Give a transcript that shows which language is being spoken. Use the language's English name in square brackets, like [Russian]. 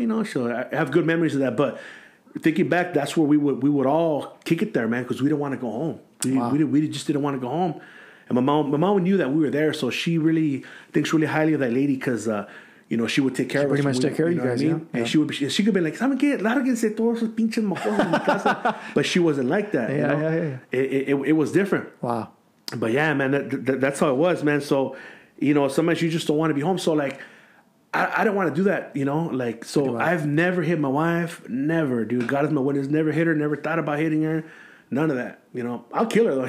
[English] You know, so I have good memories of that. But thinking back, that's where we would all kick it there, man, because we didn't want to go home. We just didn't want to go home. And my mom knew that we were there, so she really thinks really highly of that lady because, you know, she would take care of us. Pretty much take care of you guys, I mean? Yeah. And she could be like, ¿saben qué? [Spanish] Lárguense todos esos pinches mojones en mi casa. [English] But she wasn't like that, yeah, you know? Yeah, yeah, yeah. It was different. Wow. But yeah, man, that's how it was, man. So, you know, sometimes you just don't want to be home. So, like, I don't want to do that, you know? Like, so I've never hit my wife. Never, dude. God is my witness. Never hit her. Never thought about hitting her. None of that, you know. I'll kill her, though.